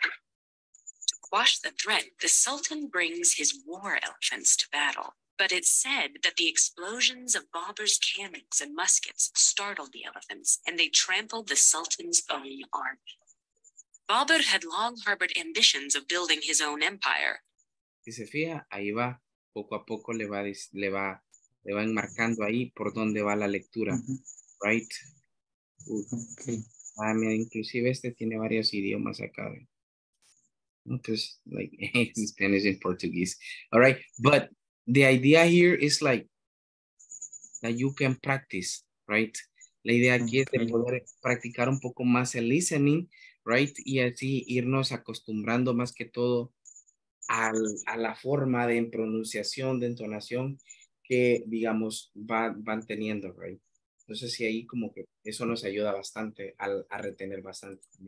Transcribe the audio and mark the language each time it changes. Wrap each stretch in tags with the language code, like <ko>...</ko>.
<en>To quash the threat, the Sultan brings his war elephants to battle. But it's said that the explosions of Babur's cannons and muskets startled the elephants and they trampled the Sultan's own army. Babur had long harbored ambitions of building his own empire.</en> <es>Si se fija, ahí va, poco a poco le va enmarcando ahí por donde va la lectura, mm-hmm.</es> <en>Right? Okay.</en> <es>Ah, mira, inclusive este tiene varios idiomas acá. No, pues,</es> <en>like, in Spanish and Portuguese. All right, but the idea here is like that you can practice, right?</en> <es>La idea aquí es de poder practicar un poco más el listening,</es> <en>right?</en> <es>Y así irnos acostumbrando más que todo a la forma de pronunciación, de entonación que, digamos, van teniendo,</es> <en>right?</en> <es>Entonces, sí, ahí como que eso nos ayuda bastante a retener bastante.</es>